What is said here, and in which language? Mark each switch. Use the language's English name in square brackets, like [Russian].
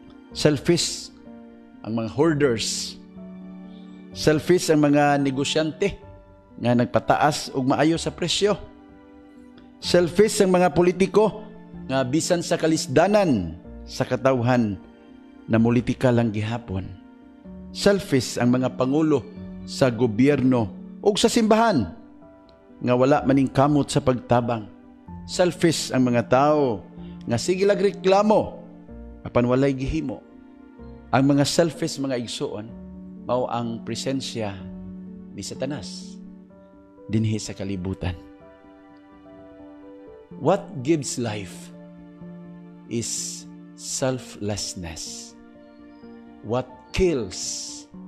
[Cebuano] Selfish ang mga hoarders. Selfish ang mga negosyante nga nagpataas o maayo sa presyo. Selfish ang mga politiko nga bisan sa kalisdanan sa katawhan na mulitika lang gihapon. Selfish ang mga pangulo sa gobyerno o sa simbahan nga wala maning kamot sa pagtabang. Selfish ang mga tao nga sige lang reklamo apan walay gihimo. Ang mga selfish mga igsoon mao ang presensya ni Satanas dinhi sa kalibutan. [English] What gives life is selflessness. What kills